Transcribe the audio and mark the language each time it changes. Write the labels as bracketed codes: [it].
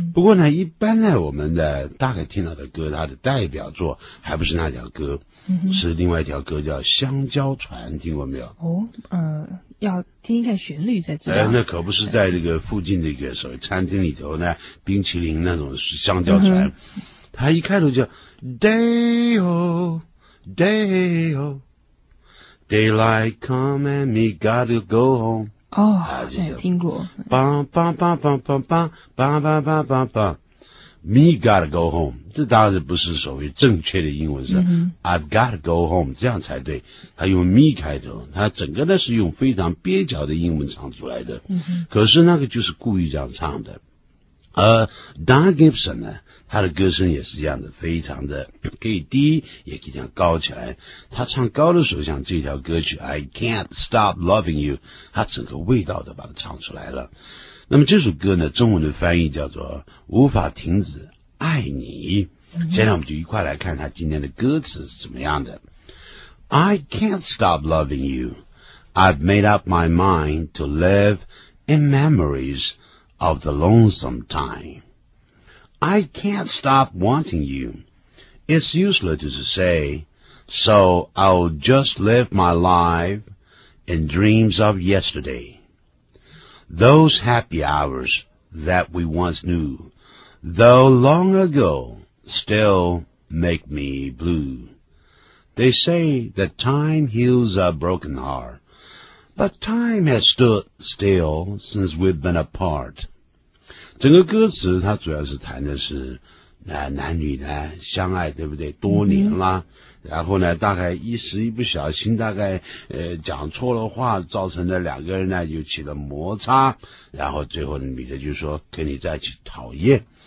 [zh] 不过呢一般呢我们的大概听到的歌他的代表作还不是那条歌、 mm-hmm. 是另外一条歌叫香蕉船，听过没有？要听一看旋律才知道。那可不是在这个附近的一个所谓餐厅里头呢，冰淇淋那种是香蕉船。 [en] 嗯、 [zh] 他一开头叫 [en] Day oh day oh daylight come and me gotta go home。 [zh] 哦，好像有听过。梆梆梆梆梆梆梆梆梆梆 [en] 梆 ，me gotta go home。 [zh] 这当然不是所谓正确的英文，是、嗯、 [en] I've got to go home， [zh] 这样才对。他用 me 开头，他整个呢是用非常蹩脚的英文唱出来的、嗯。可是那个就是故意这样唱的。Don Gibson 呢，他的歌声也是一样的，非常的可以低，也可以这样高起来。他唱高的时候，像这条歌曲 [en] I Can't Stop Loving You， [zh] 他整个味道都把它唱出来了。那么这首歌呢，中文的翻译叫做《无法停止》。爱你，现在我们就一块来看他今天的歌词是怎么样的。 [en] I can't stop loving you. I've made up my mind to live in memories of the lonesome time. I can't stop wanting you. It's useless to say, so I'll just live my life in dreams of yesterday. Those happy hours that we once knew,Though long ago, still make me blue. They say that time heals a broken heart, but time has stood still since we've been apart. [zh] 整个歌词它主要是谈的是男女呢相爱，对不对？多年啦、嗯、然后呢大概一时一不小心大概讲错了话，造成了两个人呢又起了摩擦，然后最后女的就说跟你在一起讨厌。